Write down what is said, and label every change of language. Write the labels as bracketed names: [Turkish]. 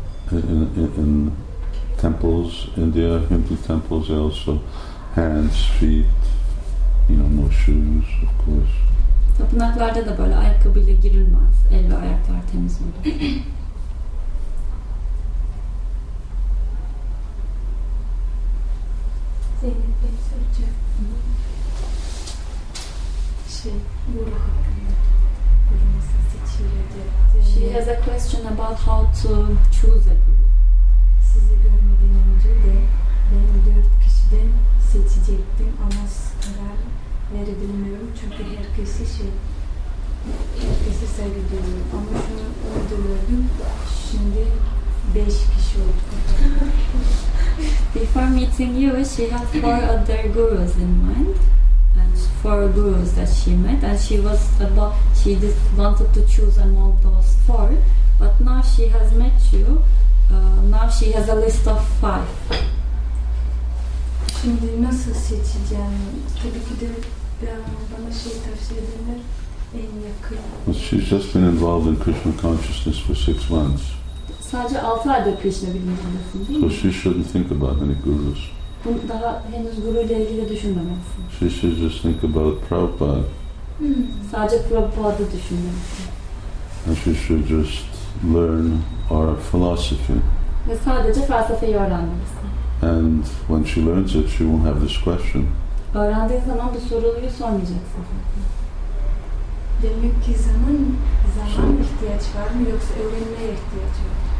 [English] in temples, India, Hindu temples, they also hands, feet, you know, no shoes, of course. [Turkish] Tapınaklarda da böyle ayakkabıyla girilmez, el ve ayaklar temiz olur. [English] She has a question about how to choose a guru. [Turkish] Sizi görmeden önce de ben 4 kişiden seçecektim ama karar verebilmiyorum çünkü herkesi herkesi saygı duyuyorum ama şunu orada gördüm şimdi 5 kişi oldu. [English] Before meeting you, she had 4 other gurus in mind. Four gurus that she met, and she was about, she just wanted to choose among those four, but now she has met you, now she has a list of 5. [Turkish] Şimdi nasıl seçeceğim? Tabii ki de bana tavsiye edenler en yakın. [English] Well, she's just been involved in Krishna consciousness for 6 months. [Turkish] Sadece 6 ayda Krishna bilincindesin, değil mi? [English] So she shouldn't think about any gurus. [Turkish] Daha henüz guru ile ilgili düşünmemesi. [English] She should just think about Prabhupada. [Turkish] Sadece Prabhupada düşünmemesi. [English] And she should just learn our philosophy. [Turkish] Ve sadece felsefeyi öğrenmesi. [English] And when she learns it, she won't have this question. [Turkish] Öğrendiği zaman bu soruyu sormayacaksın. Demek ki zaman ihtiyaç var mı yoksa öğrenmeye ihtiyaç var mı?